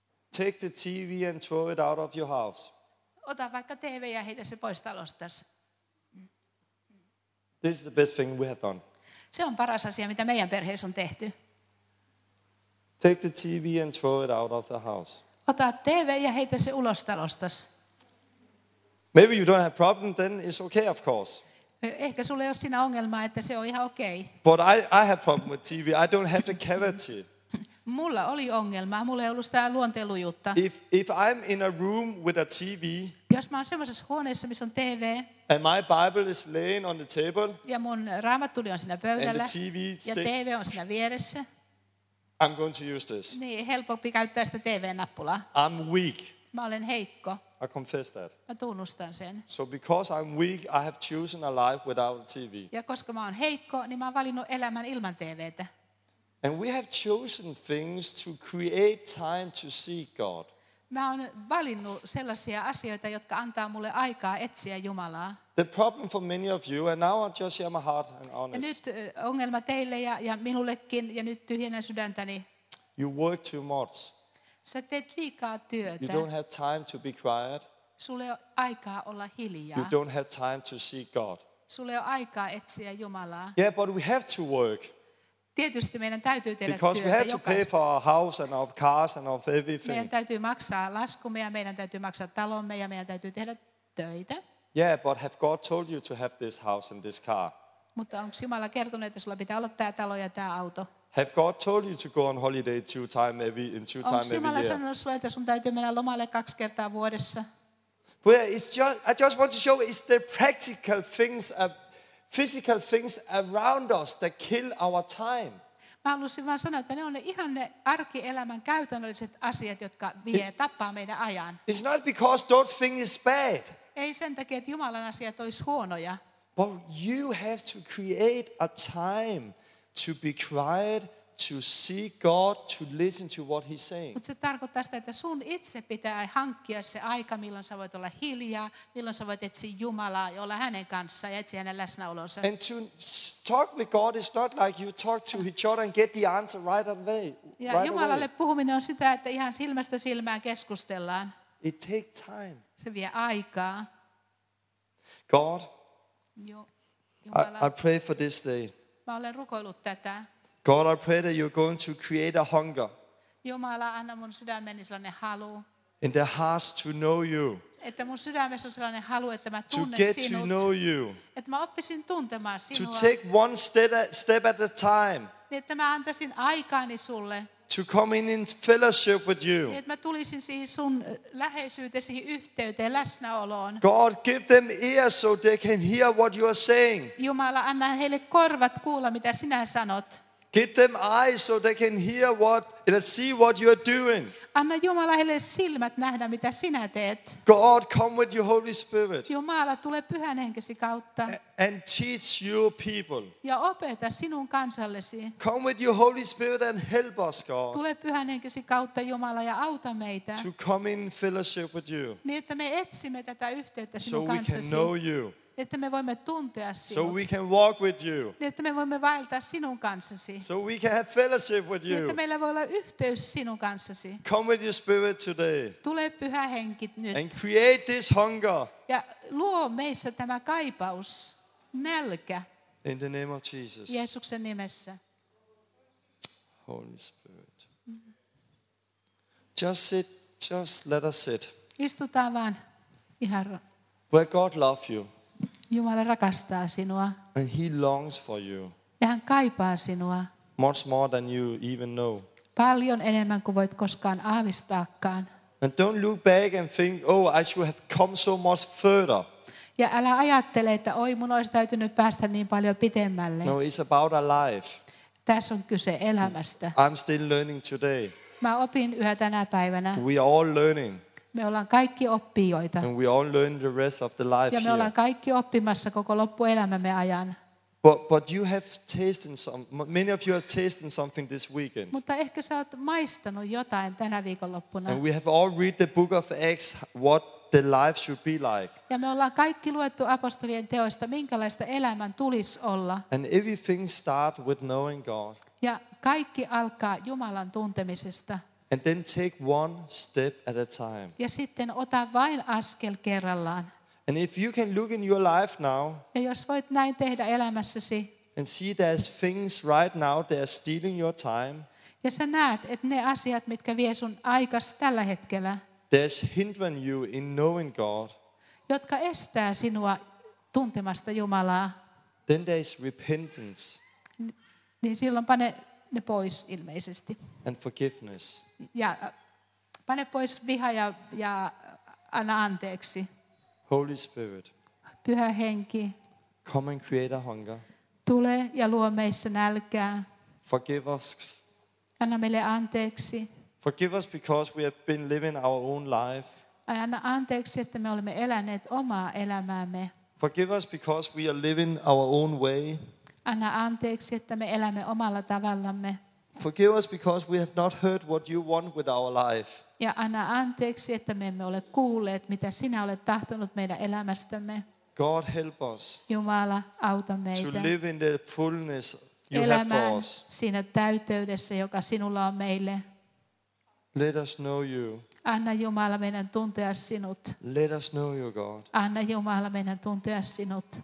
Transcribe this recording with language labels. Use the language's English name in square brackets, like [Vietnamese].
[English] Take the TV and throw it out of your house. [Finnish] Ota vaikka TV ja heitä se pois talostasi. [English] This is the best thing we have done. [Finnish] Se on paras asia, mitä meidän perheessä on tehty. [English] Take the TV and throw it out of the house. [Finnish] Ota TV ja heitä se ulos talostasi. [English] Maybe you don't have problem, then it's okay, of course. [Finnish] Ehkä sulle ei ole siinä ongelmaa, että se on ihan okei. [English] But I have problem with TV. I don't have the cavity. [Finnish] Mulla oli ongelma. Mulla ei ollut sitä luonteenlujuutta. [English] If I'm in a room with a TV. [Finnish] Jos mä oon semmoisessa huoneessa, missä on TV. [English] And my Bible is laying on the table. [Finnish] Ja mun raamattuni on siinä pöydällä. [English] And the TV [Finnish] ja TV on siinä vieressä. [English] I'm going to use this. [Finnish] Niin, helpompi käyttää sitä TV-nappulaa. [English] I'm weak. [Finnish] Mä olen heikko. [English] I confess that. [Finnish] Mä tunnustan sen. [English] So because I'm weak, I have chosen a life without TV. [Finnish] Ja koska mä oon heikko, niin mä oon valinnut elämän ilman TV:tä. [English] And we have chosen things to create time to seek God. [Finnish] Mä oon valinnut sellaisia asioita, jotka antaa mulle aikaa etsiä Jumalaa. [English] The problem for many of you, and now I just share my heart and honest. [Finnish] Ja nyt ongelma teille ja minullekin, ja nyt tyhjennän sydäntäni. [English] You work too much. [Finnish] Sä teet liikaa työtä. [English] You don't have time to be quiet. [Finnish] Sulle on aikaa olla hiljaa. [English] You don't have time to seek God. [Finnish] Sulle on aikaa etsiä Jumalaa. [English] Yeah, but we have to work. [Finnish] Tietysti meidän täytyy tehdä työtä. [English] Because we have to pay for our house and our cars and our everything. [Finnish] Meidän täytyy maksaa laskumme ja meidän täytyy maksaa talomme ja meidän täytyy tehdä töitä. [English] Yeah, but have God told you to have this house and this car? [Finnish] Mutta onko Jumala kertonut, että sulla pitää olla tämä talo ja tämä auto? [English] Have God told you to go on holiday two times every year? [Finnish] Onko Jumala sanonut, että sun täytyy mennä lomalle kaksi kertaa vuodessa? [English] Well, it's just, I just want to show it's the practical things, physical things around us that kill our time. [Finnish] Mä haluaisin vaan sanoa, että ne on ne ihan ne arkielämän käytännölliset asiat, jotka vie tappaa meidän ajan. [English] It's not because those things is bad. [Finnish] Ei sen takia, että Jumalan asiat olisi huonoja. [English] But you have to create a time to be quiet, to seek God, to listen to what he's saying. [Finnish] Mutta se tarkoittaa sitä, että sun itse pitää hankkia se aika, milloin sä voit olla hiljaa, milloin sä voit etsiä Jumalaa ja olla hänen kanssaan ja etsiä hänen läsnäolonsa. [English] And to talk with God is not like you talk to each other and get the answer right away. [Finnish] Ja Jumalalle puhuminen on sitä, että ihan silmästä silmään keskustellaan. [English] It takes time. [Finnish] Se vie aikaa. [English] God, [Finnish] Jumala, [English] I pray for this day. [Finnish] Mä olen rukoillut tätä. [English] God, I pray that you're going to create a hunger. [Finnish] Jumala, anna mun sydämeni sellainen halu. [English] In the hearts to know you. [Finnish] Että mun sydämessä on sellainen halu, että mä tunnen sinut. [English] To get [Finnish] sinut, [English] to know you. [Finnish] Että mä oppisin tuntemaan sinua. [English] To take one step at a time. [Finnish] Niin, että mä antaisin aikaani sulle. [English] To come in fellowship with you. [Finnish] Niin, että mä tulisin siihen sun läheisyyteen, siihen yhteyteen, läsnäoloon. [English] God, give them ears so they can hear what you are saying. [Finnish] Jumala, anna heille korvat kuulla, mitä sinä sanot. [English] Give them eyes so they can hear see what you are doing. [Finnish] Anna Jumala heille silmät nähdä, mitä sinä teet. [English] God, come with your Holy Spirit. [Finnish] Jumala, tule Pyhän Henkesi kautta. [English] And teach your people. [Finnish] Ja opeta sinun kansallesi. [English] Come with your Holy Spirit and help us, God. [Finnish] Tule Pyhän Henkesi kautta, Jumala, ja auta meitä. [English] To come in fellowship with you. [Finnish] Niin, että me etsimme tätä yhteyttä sinun [English] so [Finnish] kanssasi. [English] So we can know you. [Finnish] Että me voimme tuntea sinut. [English] So we can walk with you. [Finnish] Että me voimme vaeltaa sinun kanssasi. [English] So we can have fellowship with you. [Finnish] Että meillä voi olla yhteys sinun kanssasi. [English] Come with your Spirit today. [Finnish] Tule Pyhä Henki nyt. [English] And create this hunger. [Finnish] Ja luo meissä tämä kaipaus, nälkä. [English] In the name of Jesus. [Finnish] Jeesuksen nimessä. [English] Holy Spirit. Just sit. Just let us sit. [Finnish] Istutaan vaan ihan. [English] Where God love you. [Finnish] Jumala rakastaa sinua. [English] And he longs for you. [Finnish] Ja hän kaipaa sinua. [English] Much more than you even know. [Finnish] Paljon enemmän kuin voit koskaan aavistaakaan. [English] And don't look back and think, oh, I should have come so much further. [Finnish] Ja älä ajattele, että oi, mun olisi täytynyt päästä niin paljon pitemmälle. [English] No, it's about a life. [Finnish] Tässä on kyse elämästä. [English] I'm still learning today. [Finnish] Mä opin yhä tänä päivänä. [English] We are all learning. [Finnish] Me ollaan kaikki oppijoita. [English] And we all learn the rest of the life. [Finnish] Ja me ollaan kaikki oppimassa koko loppuelämämme ajan. [English] But you have tasted some, many of you have tasted something this weekend. [Finnish] Mutta ehkä sä oot maistanut jotain tänä viikonloppuna. [English] And we have all read the book of Acts, what the life should be like. [Finnish] Ja me ollaan kaikki luettu apostolien teoista, minkälaista elämän tulisi olla. [English] And everything starts with knowing God. [Finnish] Ja kaikki alkaa Jumalan tuntemisesta. [English] And then take one step at a time. [Finnish] Ja sitten ota vain askel kerrallaan. [English] And if you can look in your life now, [Finnish] ja jos voit näin tehdä elämässäsi, [English] and see there's things right now that are stealing your time, [Finnish] ja sä näet, että ne asiat, mitkä vie sun aikas tällä hetkellä, [English] there's hindering you in knowing God, [Finnish] jotka estää sinua tuntemasta Jumalaa, [English] then there's repentance, [Finnish] niin silloin pane ne pois ilmeisesti. [English] And forgiveness. [Finnish] Ja pane pois viha ja anna anteeksi. [English] Holy Spirit. [Finnish] Pyhä Henki. [English] Come and create a hunger. [Finnish] Tule ja luo meissä nälkää. [English] Forgive us. [Finnish] Anna meille anteeksi. [English] Forgive us because we have been living our own life. [Finnish] Anna anteeksi, että me olemme eläneet omaa elämäämme. [English] Forgive us because we are living our own way. [Finnish] Anna anteeksi, että me elämme omalla tavallamme. [English] Forgive us because we have not heard what you want with our life. [Finnish] Ja anna anteeksi, että me emme ole kuulleet, mitä sinä olet tahtonut meidän elämästämme. [English] God help us. [Finnish] Jumala, auta meitä. [English] To live in the fullness you have for us. [Finnish] Siinä täyteydessä, joka sinulla on meille. [English] Let us know you. [Finnish] Anna Jumala meidän tuntea sinut. [English] Let us know you, God. [Finnish] Anna Jumala meidän tuntea sinut.